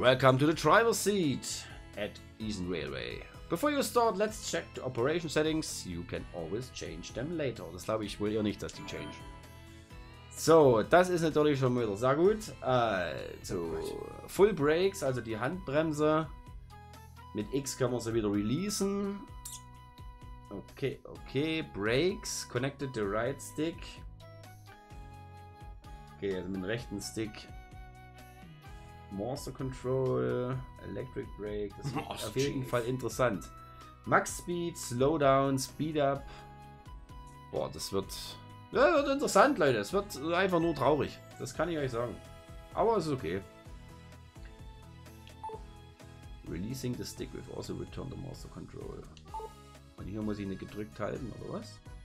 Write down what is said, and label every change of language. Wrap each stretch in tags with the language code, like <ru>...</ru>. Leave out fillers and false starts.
<en>Welcome to the driver's seat at Eastern Railway. Before you start, let's check the operation settings. You can always change them later.</en> <de>Das glaube ich wohl eher nicht, dass die change. So, das ist natürlich schon wieder sehr gut. Also,</de> <en>full brakes,</en> <de>also die Handbremse. Mit X kann man sie wieder releasen.</de> <en>Okay. Brakes. Connected the right stick.</en> <de>Okay, also mit dem rechten Stick.</de> <en>Master Control. Electric Brake.</en> <de>Das ist auf jeden Fall interessant.</de> <en>Max Speed, Slowdown, Speed Up.</en> <de>Boah, das wird interessant, Leute. Es wird einfach nur traurig. Das kann ich euch sagen. Aber es ist okay.</de> <en>Releasing the stick will also return the master control.</en> <de>Und hier muss ich nicht gedrückt halten, oder was?</de>